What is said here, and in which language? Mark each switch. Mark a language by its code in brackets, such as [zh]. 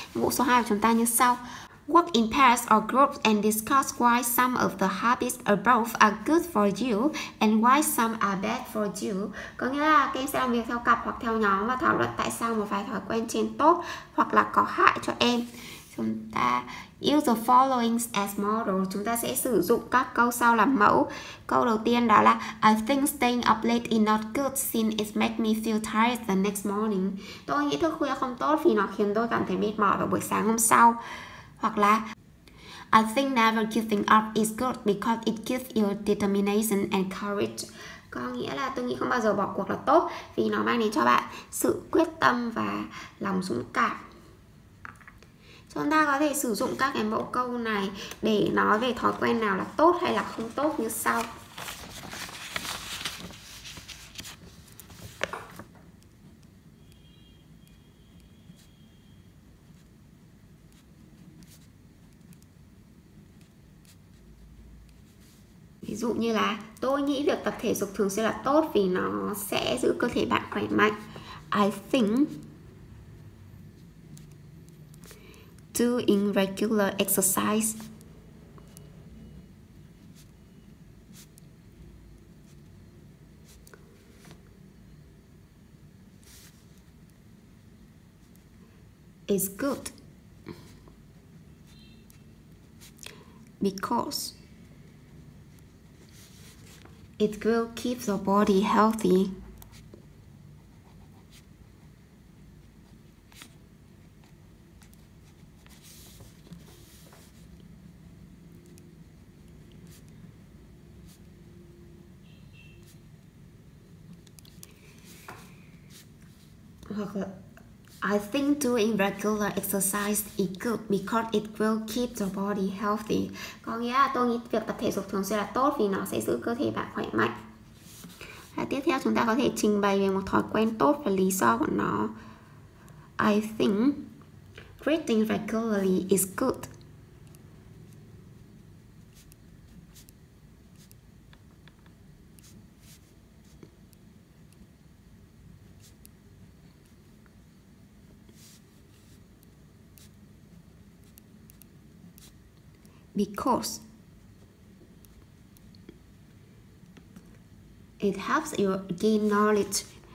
[vi] Nhiệm vụ số 2 của chúng ta như sau: [en] Work in pairs or groups and discuss why some of the habits above are good for you and why some are bad for you. [vi] Có nghĩa là các em sẽ làm việc theo cặp hoặc theo nhóm và thảo luận tại sao một vài thói quen trên tốt hoặc là có hại cho em. Chúng ta [en] use the following as model. [vi] Chúng ta sẽ sử dụng các câu sau làm mẫu. Câu đầu tiên đó là [en] I think staying up late is not good since it makes me feel tired the next morning. [vi] Tôi nghĩ thức khuya không tốt vì nó khiến tôi cảm thấy mệt mỏi vào buổi sáng hôm sau. Hoặc là [en] I think never giving up is good because it gives you determination and courage. [vi] Có nghĩa là tôi nghĩ không bao giờ bỏ cuộc là tốt vì nó mang đến cho bạn sự quyết tâm và lòng dũng cảm. Chúng ta có thể sử dụng các cái mẫu câu này để nói về thói quen nào là tốt hay là không tốt như sau. Ví dụ như là tôi nghĩ việc tập thể dục thường xuyên là tốt vì nó sẽ giữ cơ thể bạn khỏe mạnh. [en] I think doing regular exercise is good because it will keep the body healthy . I think doing regular exercise is good because it will keep the body healthy. [vi] Có nghĩa là tôi nghĩ việc tập thể dục thường xuyên là tốt vì nó sẽ giữ cơ thể bạn khỏe mạnh. Và tiếp theo chúng ta có thể trình bày về một thói quen tốt và lý do của nó. [en] I think reading regularly is good because it helps you gain knowledge .